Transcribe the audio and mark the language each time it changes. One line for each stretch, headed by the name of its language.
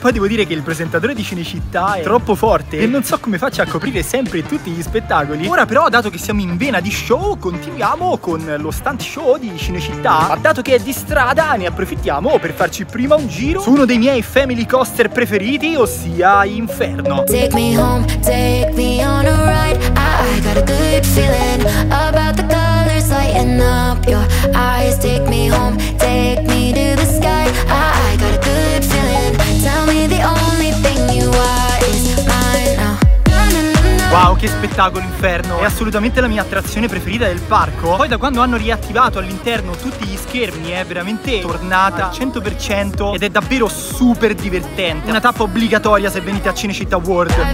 Italian: E poi devo dire che il presentatore di Cinecittà è troppo forte e non so come faccia a coprire sempre tutti gli spettacoli. Ora però, dato che siamo in vena di show, continuiamo con lo stunt show di Cinecittà. Ma dato che è di strada, ne approfittiamo per farci prima un giro su uno dei miei family coaster preferiti, ossia Inferno.
English: Take me home, take me on a ride. I got a good feeling about the colors lighting up your eyes. Take me home, take me to the sky. I got a good feeling. Tell me the only thing you are is mine now.
Italian: Wow, che spettacolo Inferno! È assolutamente la mia attrazione preferita del parco. Poi da quando hanno riattivato all'interno tutti gli schermi è veramente tornata al 100% ed è davvero super divertente. Una tappa obbligatoria se venite a Cinecittà World.